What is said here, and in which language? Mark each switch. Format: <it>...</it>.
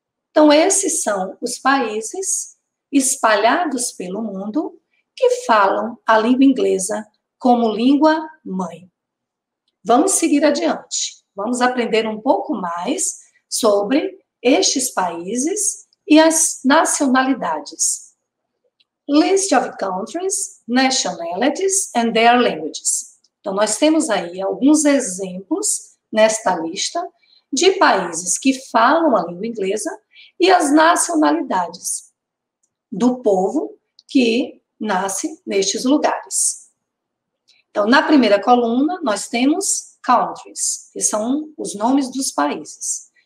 <pt>Então, esses são os países espalhados pelo mundo que falam a língua inglesa como língua mãe. Vamos seguir adiante. Vamos aprender um pouco mais sobre estes países e as nacionalidades.</pt> <en>List of countries, nationalities and their languages.</en> <pt>Então, nós temos aí alguns exemplos nesta lista de países que falam a língua inglesa e as nacionalidades do povo que nasce nestes lugares. Então, na primeira coluna, nós temos countries, que são os nomes dos países.</pt>